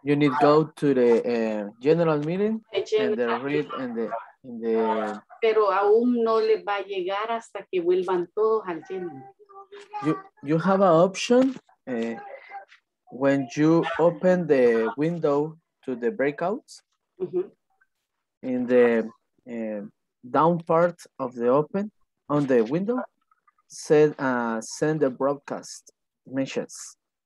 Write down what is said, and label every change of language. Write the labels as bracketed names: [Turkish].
[English] You need to go to the general meeting and read in the. [Spanish] Pero aún no les va a llegar hasta que vuelvan todos al general. [English] You have an option when you open the window to the breakouts. Mm-hmm. In the down part of the open on the window, send the broadcast messages.